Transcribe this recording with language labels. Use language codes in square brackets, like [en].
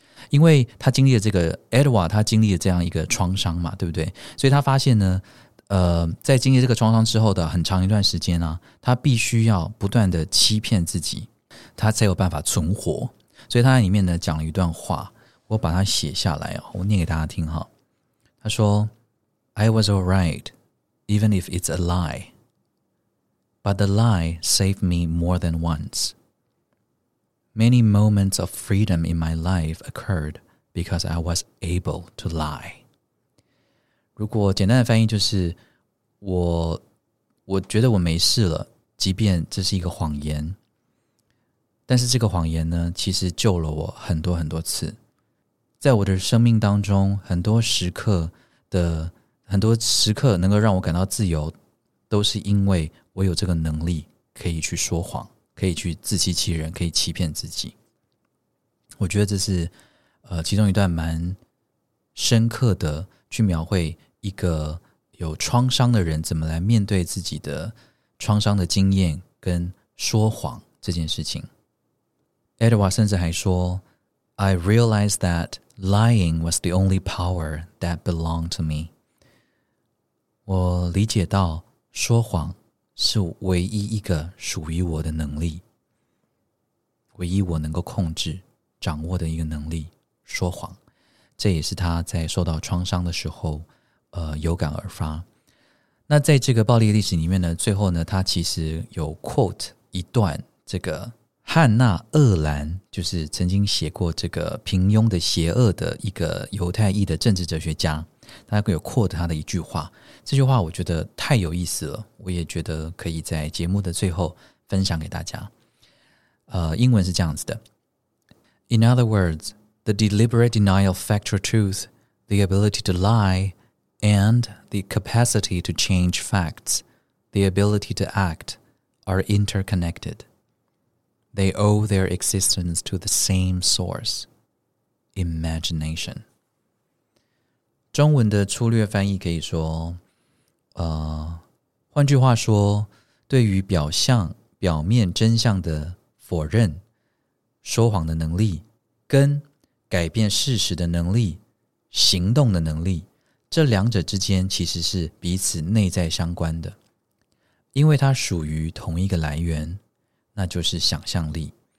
[zh] 因为他经历了这个 Edward 他经历了这样一个创伤嘛，对不对？所以他发现呢在经历这个创伤之后的很长一段时间呢，他必须要不断的欺骗自己，他才有办法存活。所以他在里面呢讲了一段话，我把它写下来，我念给大家听哈。他说 [en] I was alright, even if it's a lie. But the lie saved me more than once. Many moments of freedom in my life occurred because I was able to lie. [zh] 如果简单的翻译就是我觉得我没事了，即便这是一个谎言，但是这个谎言呢其实救了我很多很多次。在我的生命当中很多时刻能够让我感到自由，都是因为我有这个能力可以去说谎，可以去自欺欺人，可以欺骗自己。我觉得这是其中一段蛮深刻的去描绘一个有创伤的人怎么来面对自己的创伤的经验跟说谎这件事情。 [en] Edward [zh] 甚至还说 [en] I realized that lying was the only power that belonged to me. [zh] 我理解到说谎是唯一一个属于我的能力，唯一我能够控制掌握的一个能力，说谎。这也是他在受到创伤的时候有感而发。那在这个暴力历史里面呢，最后呢，他其实有 quote 一段这个汉娜·厄兰，就是曾经写过这个平庸的邪恶的一个犹太裔的政治哲学家，他有 quote 他的一句话，这句话我觉得太有意思了，我也觉得可以在节目的最后分享给大家。英文是这样子的， [en] In other words, the deliberate denial of factual truth, the ability to lie, and the capacity to change facts, the ability to act, are interconnected. They owe their existence to the same source, imagination. [zh] 中文的粗略翻译可以说，换句话说，对于表面真相的否认，说谎的能力，跟改变事实的能力，行动的能力，这两者之间其实是彼此内在相关的，因为它属于同一个来源，那就是想象力。